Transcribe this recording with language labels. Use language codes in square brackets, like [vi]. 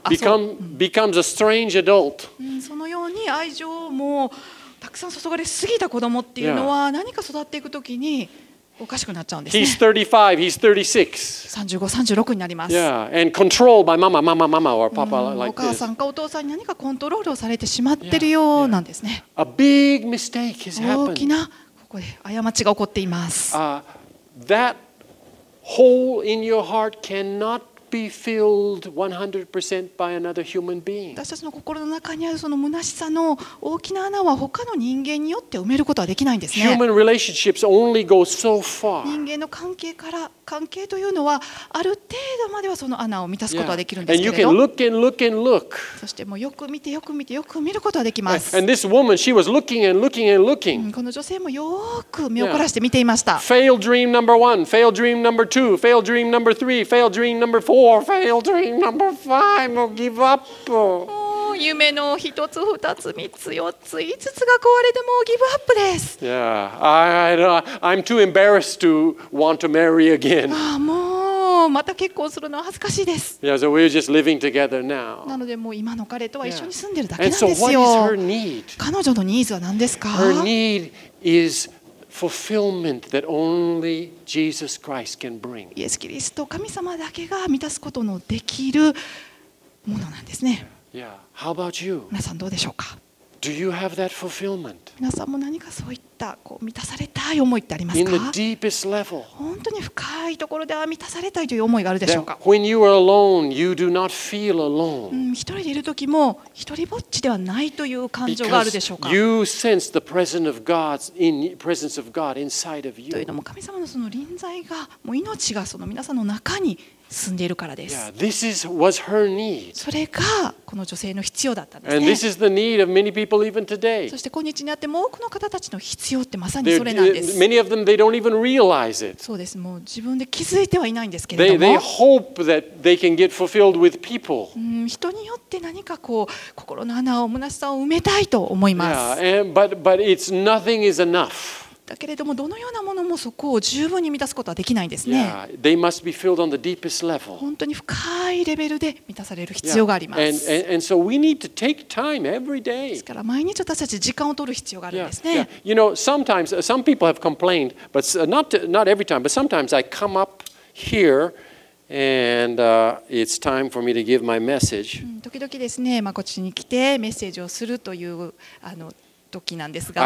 [en] becomes a strange adult. [ja] そのように愛情をもうたたくさん注がれすぎた子供っていうのは何か育っていくときにおかしくなっちゃうんですね。 [en] He's 35, he's 36. [ja] 35、36になります。 [en] Yeah, and controlled by mama, mama, mama or papa like this. [ja] お母さんかお父さんに何かコントロールをされてしまってるようなんですね。 [en] A big mistake has happened. [ja] 大きなここで過ちが起こっています。 [en] That hole in your heart cannot be filled 100% by another human being. [ja] 私たちの心の中にあるその虚しさの大きな穴は他の人間によって埋めることはできないんですね。 [en] Human relationships only go so far. [ja] 人間の関係から関係というのはある程度まではその穴を満たすことはできるんですけれど。 [en] And you can look and look and look. [ja] そしてもうよく見てよく見てよく見ることはできます。 [en] And this woman, she was looking and looking and looking. [ja] この女性もよく目を凝らして見ていました。 [en] Fail dream number one, fail dream number two, fail dream number three, fail dream number four, fail dream number five. もう give up. [ja] 夢の一つ二つ三つ四つ五つが壊れてもうギブアップです。 [en] I'm too embarrassed to want to marry again. [ja] ああもうまた結婚するのは恥ずかしいです。 [en] Yeah, so we're just living together now. [ja] なのでもう今の彼とは一緒に住んでるだけなんですよ。 [en] And so what is her need? [ja] 彼女のニーズは何ですか [en] ？Her need is fulfillment that only Jesus Christ can bring. [ja] イエス・キリスト、神様だけが満たすことのできるものなんですね。 [en] Yeah. How about you? [ja] 皆さんどうでしょうか。 [en] Do you have that fulfillment? [ja] 皆さんも何かそういったこう満たされたい思いってありますか。 [en] In the deepest level. [ja] 本当に深いところでは満たされたいという思いがあるでしょうか。 [en] That when you are alone, you do not feel alone. [ja] 一人でいる時も一人ぼっちではないという感情があるでしょうか。 [en] Because you sense the presence of God in presence of God inside of you. [ja] というのも神様のその臨在がもう命がその皆さんの中に。住んでいるからです。 [en] Yeah, this is, was her need. [ja] それがこの女性の必要だったんですね。 [en] And this is the need of many people even today. [ja] そして今日にあっても多くの方たちの必要ってまさにそれなんです。 [en] Many of them, they don't even realize it. [ja] そうです。もう自分で気づいてはいないんですけれども。 [en] They hope that they can get fulfilled with people. [ja] 人によって何かこう心の穴を虚しさを埋めたいと思います。 [en] Yeah, and, but it's nothing is enough. [ja] だけれどもどのようなものもそこを十分に満たすことはできないんですね。 [en] Yeah, they must be filled on the deepest level. [ja] 本当に深いレベルで満たされる必要があります。 [en] And so we need to take time every day. [ja] ですから毎日私たち時間を取る必要があるんですね。 [en] Yeah, yeah. You know, sometimes some people have complained, but not every time, but sometimes I come up here. And it's time for me to give my message. [ja] 時々ですね、まあ、こっちに来てメッセージをするという時なんですが、